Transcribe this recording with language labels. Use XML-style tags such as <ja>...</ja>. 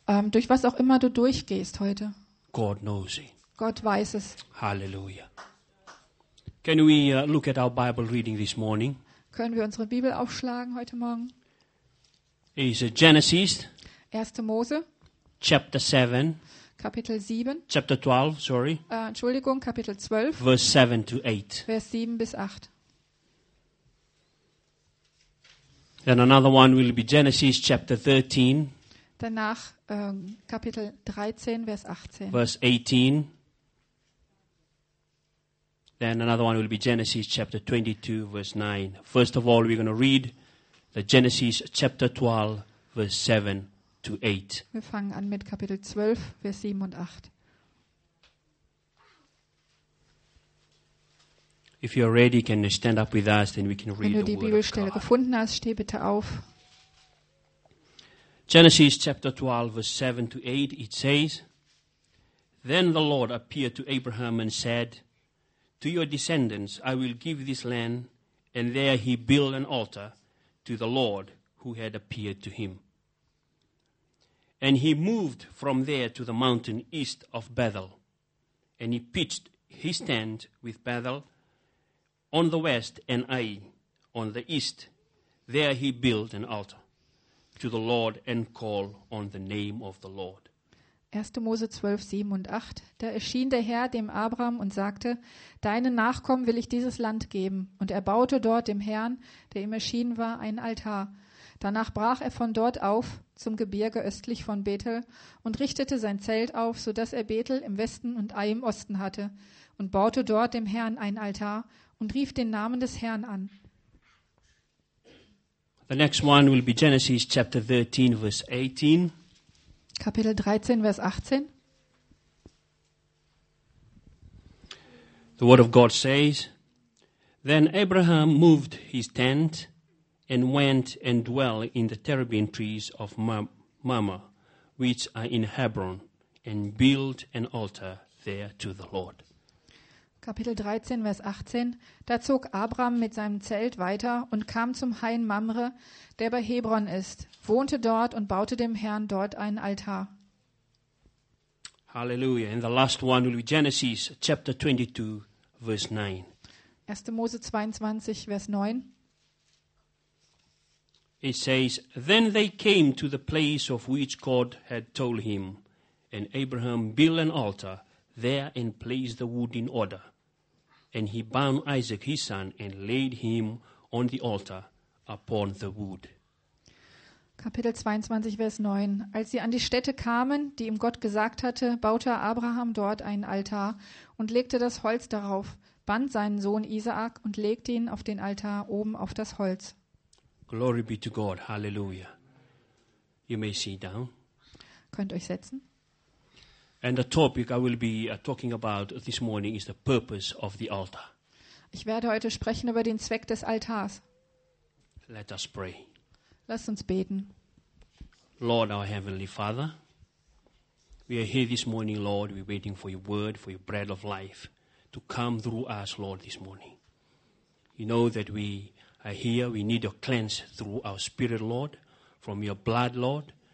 <de>durch was auch immer du durchgehst heute,</de> <en>God knows it.</en> <de>Gott weiß es. Halleluja.</de> <en>Can we look at our Bible reading this morning?</en> <de>Können wir unsere Bibel aufschlagen heute Morgen?</de> <en>It's Genesis.</en> <de>1. Mose.</de> <en>Chapter 7.</en> <de>Kapitel 7.</de> <en>Chapter 12, sorry.</en> <de>Entschuldigung, Kapitel 12.</de> <en>Verse 7 to 8.</en> <de>Vers 7 bis 8.</de> <en>Then another one will be Genesis chapter 13.</en> <de>Danach Kapitel 13, Vers 18.</de> <en>Verse 18. Then another one will be Genesis chapter 22, verse 9. First of all, we're going to read the Genesis chapter 12, verse 7 to 8.</en> <de>Wir fangen an mit Kapitel 12, Vers 7 und 8.</de> <en>If you're ready, can you stand up with us, then we can read the Word of God.</en> <de>Wenn du die Bibelstelle gefunden hast, steh bitte auf.</de> <en>Genesis chapter 12, verse 7 to 8, it says, Then the Lord appeared to Abraham and said, To your descendants I will give this land, and there he built an altar to the Lord who had appeared to him. And he moved from there to the mountain east of Bethel, and he pitched his tent with Bethel on the west and Ai on the east. There he built an altar to the Lord and called on the name of the Lord.</en> <de>1. Mose 12, 7 und 8. Da erschien der Herr dem Abraham und sagte, Deinen Nachkommen will ich dieses Land geben. Und er baute dort dem Herrn, der ihm erschienen war, ein Altar. Danach brach er von dort auf zum Gebirge östlich von Bethel und richtete sein Zelt auf, sodass er Bethel im Westen und Ai im Osten hatte und baute dort dem Herrn ein Altar und rief den Namen des Herrn an.</de> <en>The next one will be Genesis chapter 13, verse 18.</en> <de>Kapitel 13, Vers 18.</de> <en>The word of God says, Then Abraham moved his tent and went and dwelt in the terebinth trees of Mamre, which are in Hebron, and built an altar there to the Lord.</en> <de>Kapitel 13, Vers 18. Da zog Abraham mit seinem Zelt weiter und kam zum Hain Mamre, der bei Hebron ist, wohnte dort und baute dem Herrn dort einen Altar.</de> <en>Halleluja. And the last one will be Genesis chapter 22, verse 9.</en> <de>1. Mose 22, Vers 9.</de> <en>It says, Then they came to the place of which God had told him, and Abraham built an altar there and placed the wood in order. And he bound Isaac his son and laid him on the altar upon the wood.</en> <de>Kapitel 22, Vers 9. Als sie an die Stätte kamen, die ihm Gott gesagt hatte, baute Abraham dort einen Altar und legte das Holz darauf, band seinen Sohn Isaak und legte ihn auf den Altar oben auf das Holz.</de> <en>Glory be to God. Hallelujah. You may sit down.</en> <de>Könnt euch setzen.</de> <en>And the topic I will be talking about this morning is the purpose of the altar.</en> <de>Ich werde heute sprechen über den Zweck des Altars.</de> <en>Let us pray.</en> <de>Lasst uns beten.</de> <en>Lord, our Heavenly Father, we are here this morning, Lord, we're waiting for your word, for your bread of life to come through us, Lord, this morning. You know that we are here, we need to cleanse through our spirit, Lord, from your blood, Lord.</en>